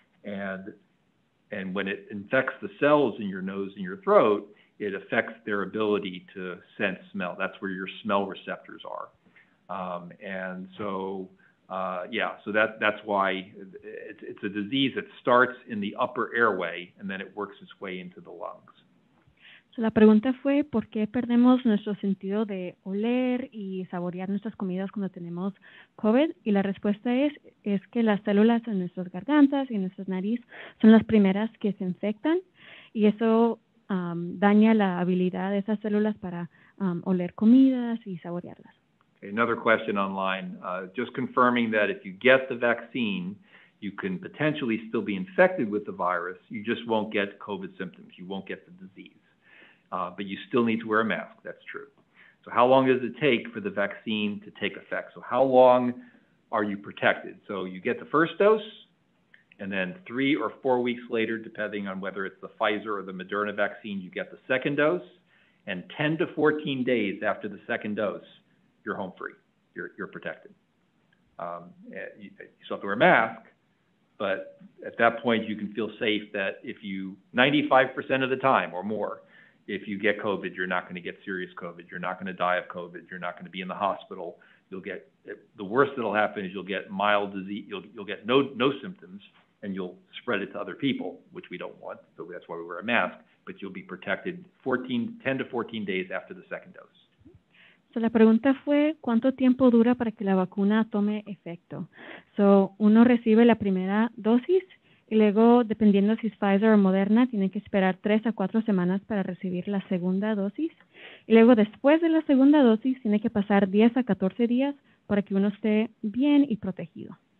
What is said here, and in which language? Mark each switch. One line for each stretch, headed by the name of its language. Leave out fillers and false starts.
English: And when it infects the cells in your nose and your throat, it affects their ability to sense smell. That's where your smell receptors are. So that's why it's a disease that starts in the upper airway and then it works its way into the lungs.
Spanish: So la pregunta fue, ¿por qué perdemos nuestro sentido de oler y saborear nuestras comidas cuando tenemos COVID? Y la respuesta es que las células en nuestras gargantas y en nuestras nariz son las primeras que se infectan y eso daña la habilidad de esas células para oler comidas y saborearlas.
English: Okay, another question online. Just confirming that if you get the vaccine, you can potentially still be infected with the virus. You just won't get COVID symptoms. You won't get the disease. But you still need to wear a mask. That's true. So how long does it take for the vaccine to take effect? So how long are you protected? So you get the first dose, and then 3 or 4 weeks later, depending on whether it's the Pfizer or the Moderna vaccine, you get the second dose. And 10 to 14 days after the second dose, you're home free. You're protected. You still have to wear a mask, but at that point, you can feel safe that if you, 95% of the time or more, if you get COVID, you're not going to get serious COVID. You're not going to die of COVID. You're not going to be in the hospital. You'll get, the worst that'll happen is you'll get mild disease. You'll get no symptoms, and you'll spread it to other people, which we don't want. So that's why we wear a mask. But you'll be protected 10 to 14 days after the second dose.
Spanish: So la pregunta fue, ¿cuánto tiempo dura para que la vacuna tome efecto? So uno recibe la primera dosis, y luego, dependiendo si es Pfizer o Moderna, tiene que esperar 3 a 4 semanas para recibir la segunda dosis. Y luego, después de la segunda dosis, tiene que pasar 10 a 14 días para que uno esté bien y protegido.